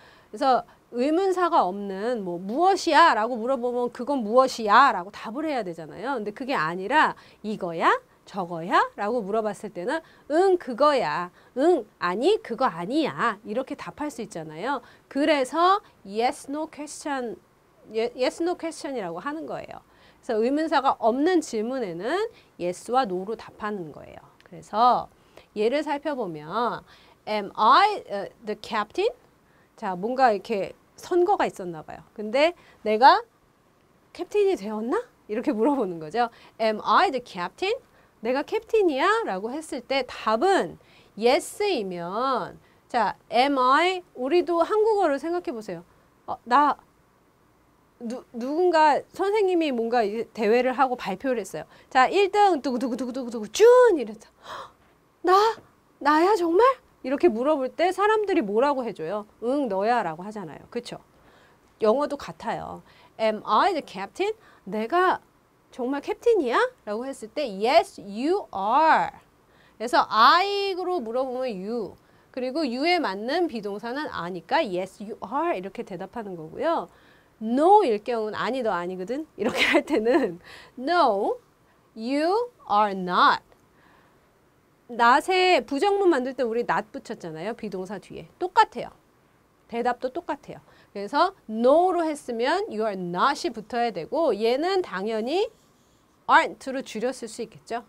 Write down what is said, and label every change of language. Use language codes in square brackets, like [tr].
[ko] 그래서 의문사가 없는 뭐 무엇이야? 라고 물어보면 그건 무엇이야? 라고 답을 해야 되잖아요. 근데 그게 아니라 이거야? 저거야? 라고 물어봤을 때는 응, 그거야. 응, 아니, 그거 아니야. 이렇게 답할 수 있잖아요. 그래서 yes, no question, yes, no question이라고 하는 거예요. 그래서 의문사가 없는 질문에는 yes와 no로 답하는 거예요. 그래서 예를 살펴보면 [en] am I the captain? [ko] 자, 뭔가 이렇게 선거가 있었나 봐요. 근데 내가 캡틴이 되었나? 이렇게 물어보는 거죠. [en] Am I the captain? [ko] 내가 캡틴이야? 라고 했을 때 답은 yes이면, 자, [en] am I? [ko] 우리도 한국어를 생각해 보세요. 누군가, 선생님이 뭔가 대회를 하고 발표를 했어요. 자, 1등, 두구두구두구두구, 준! 이랬다. 나? 나야, 정말? 이렇게 물어볼 때 사람들이 뭐라고 해줘요? 응, 너야 라고 하잖아요. 그쵸? 영어도 같아요. [en] Am I the captain? [ko] 내가 정말 캡틴이야? 라고 했을 때, [en] Yes, you are. [ko] 그래서 I로 물어보면 you. 그리고 you에 맞는 비동사는 아니까 [en] Yes, you are. [ko] 이렇게 대답하는 거고요. No일 경우는 아니, 너 아니거든? 이렇게 할 때는 [en] No, you are not. [ko] not에 부정문 만들 때 우리 not 붙였잖아요. 비동사 뒤에. 똑같아요. 대답도 똑같아요. 그래서 no로 했으면 you are not이 붙어야 되고 얘는 당연히 aren't로 줄였을 수 있겠죠.